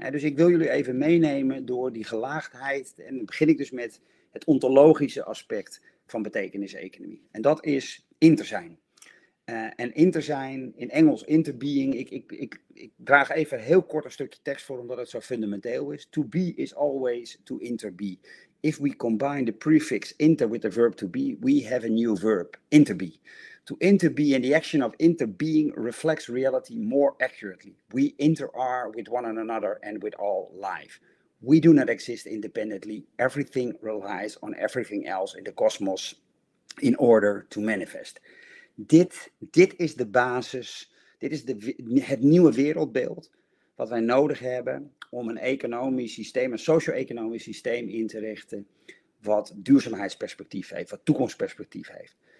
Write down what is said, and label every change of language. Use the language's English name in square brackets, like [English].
[Dutch] Dus ik wil jullie even meenemen door die gelaagdheid. En dan begin ik dus met het ontologische aspect van betekenis-economie. En dat is interzijn. En interzijn, in Engels interbeing. Ik draag even heel kort een stukje tekst voor, omdat het zo fundamenteel is. [English] To be is always to interbe. If we combine the prefix inter with the verb to be, we have a new verb, interbe. To interbe and the action of interbeing reflects reality more accurately. We inter are with one another and with all life. We do not exist independently. Everything relies on everything else in the cosmos in order to manifest. [Dutch] Dit is de basis, dit is het nieuwe wereldbeeld wat wij nodig hebben om een economisch systeem, een socio-economisch systeem in te richten wat duurzaamheidsperspectief heeft, wat toekomstperspectief heeft.